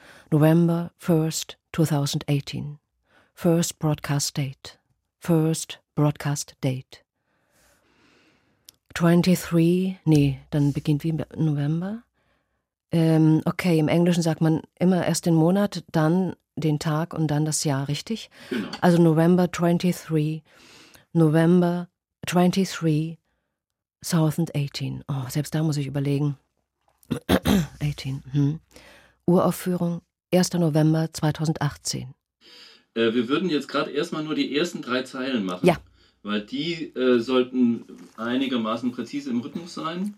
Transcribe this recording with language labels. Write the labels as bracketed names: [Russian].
[English] November 1st, 2018. First broadcast date. First broadcast date. [German] 23, nee, dann beginnt wie November. Okay, im Englischen sagt man immer erst den Monat, dann den Tag und dann das Jahr, richtig? Genau. [English] Also November 23, November 23, 2018. [German] Oh, selbst da muss ich überlegen. 18. Hm. Uraufführung 1. November 2018. Wir würden jetzt gerade erstmal nur die ersten drei Zeilen machen. Ja. Weil die sollten einigermaßen präzise im Rhythmus sein.